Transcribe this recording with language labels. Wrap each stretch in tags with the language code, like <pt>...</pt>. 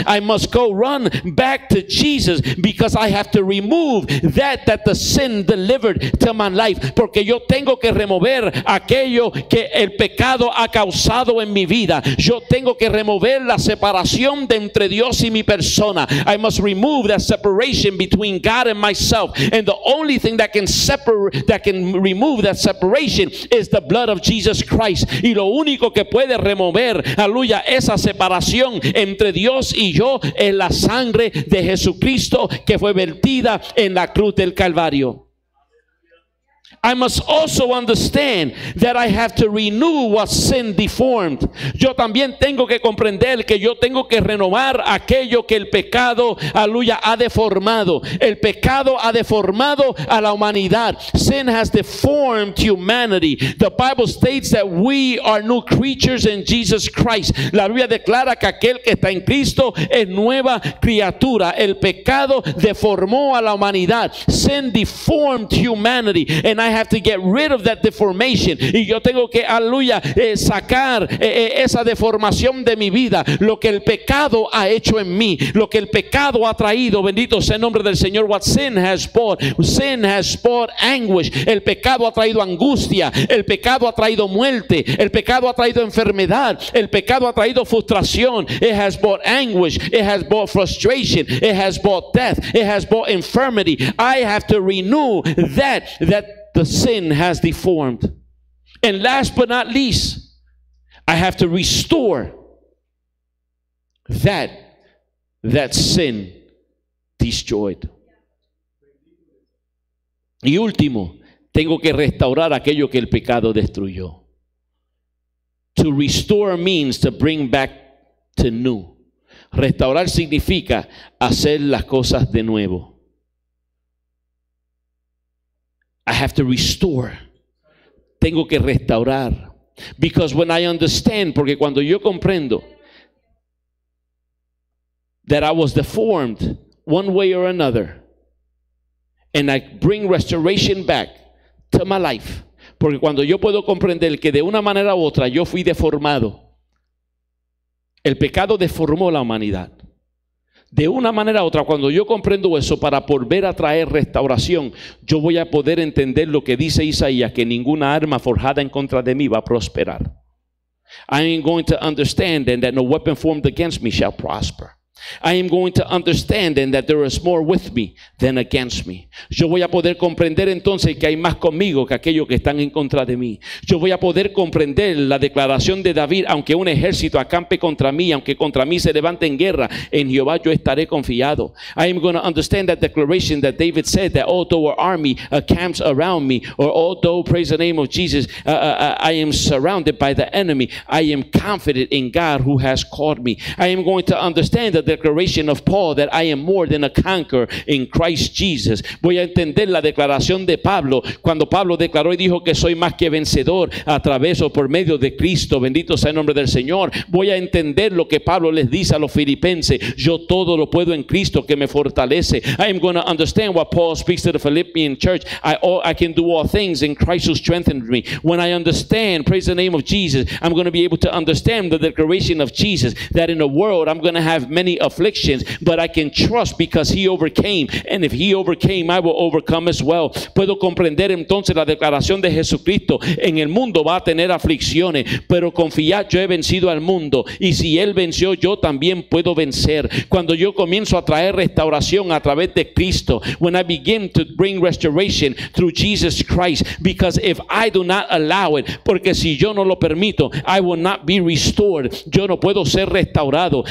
<en>I must go run back to Jesus because I have to remove that the sin delivered to my life,</en> <es>porque yo tengo que remover aquello que el pecado ha causado en mi vida. Yo tengo que remover la separación de entre Dios y mi persona.</es> <en>I must remove that separation between God and myself, and the only thing that can remove that separation is the blood of Jesus Christ.</en> <es>Y lo único que puede remover, aleluya, esa separación entre Dios y yo es la sangre de Jesucristo, que fue vertida en la cruz del Calvario.</es> <en>I must also understand that I have to renew what sin deformed.</en> <es>Yo también tengo que comprender que yo tengo que renovar aquello que el pecado, aleluya, ha deformado. El pecado ha deformado a la humanidad.</es> <en>Sin has deformed humanity. The Bible states that we are new creatures in Jesus Christ.</en> <es>La Biblia declara que aquel que está en Cristo es nueva criatura. El pecado deformó a la humanidad.</es> <en>Sin deformed humanity. And I have to get rid of that deformation.</en> <es>Y yo tengo que, aleluya, sacar esa deformación de mi vida. Lo que el pecado ha hecho en mí. Lo que el pecado ha traído. Bendito sea el nombre del Señor.</es> <en>What sin has brought. Sin has brought anguish.</en> <es>El pecado ha traído angustia. El pecado ha traído muerte. El pecado ha traído enfermedad. El pecado ha traído frustración.</es> <en>It has brought anguish. It has brought frustration. It has brought death. It has brought infirmity. I have to renew that the sin has deformed. And last but not least, I have to restore that sin destroyed.</en> <es>Y último, tengo que restaurar aquello que el pecado destruyó.</es> <en>To restore means to bring back to new.</en> <es>Restaurar significa hacer las cosas de nuevo.</es> <en>I have to restore.</en> <es>Tengo que restaurar.</es> <en>Because when I understand,</en> <es>porque cuando yo comprendo</es> <en>that I was deformed one way or another, and I bring restoration back to my life.</en> <es>Porque cuando yo puedo comprender que de una manera u otra yo fui deformado, el pecado deformó la humanidad. De una manera u otra, cuando yo comprendo eso, para volver a traer restauración, yo voy a poder entender lo que dice Isaías, que ninguna arma forjada en contra de mí va a prosperar.</es> <en>I am going to understand and that no weapon formed against me shall prosper. I am going to understand and that there is more with me than against me.</en> <es>Yo voy a poder comprender entonces que hay más conmigo que aquellos que están en contra de mí. Yo voy a poder comprender la declaración de David, aunque un ejército acampe contra mí, aunque contra mí se levante en guerra, en Jehová yo estaré confiado.</es> <en>I am going to understand that declaration that David said that although an army camps around me, or although, praise the name of Jesus, I am surrounded by the enemy, I am confident in God who has called me. I am going to understand the declaration of Paul that I am more than a conqueror in Christ Jesus.</en> <es>Voy a entender la declaración de Pablo cuando Pablo declaró y dijo que soy más que vencedor a través o por medio de Cristo. Bendito sea el nombre del Señor. Voy a entender lo que Pablo les dice a los filipenses. Yo todo lo puedo en Cristo que me fortalece.</es> <en>I am going to understand what Paul speaks to the Philippian church. I can do all things in Christ who strengthened me. When I understand, praise the name of Jesus, I'm going to be able to understand the declaration of Jesus that in the world I'm going to have many afflictions, but I can trust because he overcame, and if he overcame, I will overcome as well.</en> <es>Puedo comprender entonces la declaración de Jesucristo, en el mundo va a tener aflicciones, pero confiad, yo he vencido al mundo, y si él venció, yo también puedo vencer. Cuando yo comienzo a traer restauración a través de Cristo,</es> <en>when I begin to bring restoration through Jesus Christ, because if I do not allow it,</en> <es>porque si yo no lo permito,</es> <en>I will not be restored,</en> <es>yo no puedo ser restaurado.</es>